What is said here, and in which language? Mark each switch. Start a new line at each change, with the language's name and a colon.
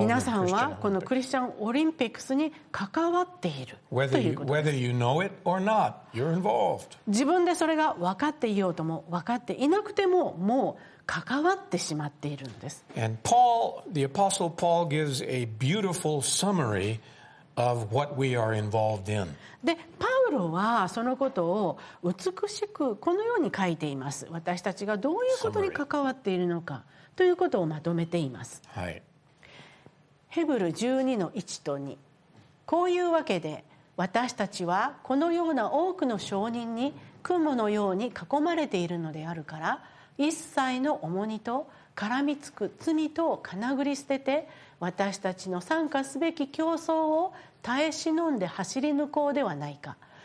Japanese: 皆さんはこのクリスチャンオリンピックスに関わっているということです。
English: Whether you know it or not, you're involved.
Japanese: 自分でそれが分かっていようとも分かっていなくても、もう関わってしまっているんです。
English: And Paul, the Apostle Paul gives a beautiful summary of what we are involved in.
Japanese: で、パウロはそのことを美しくこのように書いています。私たちがどういうことに関わっているのかということをまとめています。はい。ヘブル12の1と2。こういうわけで私たちはこのような多くの証人に雲のように囲まれているのであるから、一切の重荷と絡みつく罪とをかなぐり捨てて、私たちの参加すべき競争を耐え忍んで走り抜こうではないか。